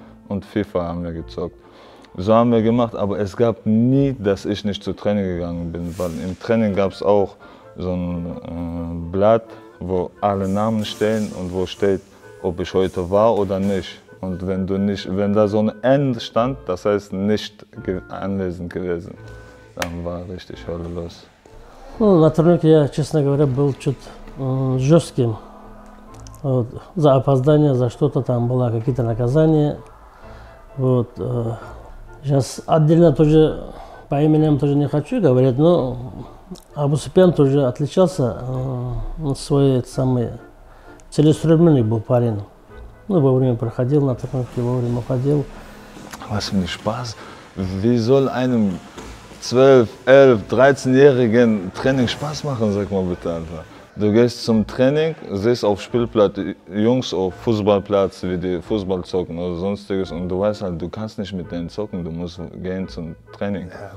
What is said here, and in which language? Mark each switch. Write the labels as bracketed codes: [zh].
[de] Und FIFA haben wir gezockt. So haben wir gemacht, aber es gab nie, dass ich nicht zu Training gegangen bin, weil im Training gab es auch so ein Blatt, wo alle Namen stehen und wo steht, ob ich heute war oder nicht. Und wenn du nicht, wenn da so ein N stand, das heißt nicht anwesend gewesen, dann war richtig Hölle los. [ru] На тренировке я, честно говоря, был чуть жестким. За опоздание, за что-то там было какие-то наказания. Вот. Сейчас отдельно тоже по именам тоже не хочу говорить, но Абусупян тоже отличался, свой самый целеустремленный был парень. Ну, вовремя проходил на тренировке, вовремя уходил. [de] Was für ein Spaß! Wie soll einem 12, 11, 13-jährigen Training Spaß machen, sag mal bitte einfach. Du gehst zum Training, siehst auf Spielplatz Jungs auf Fußballplatz, wie die Fußball zocken oder sonstiges, und du weißt halt, du kannst nicht mit denen zocken, du musst gehen zum Training.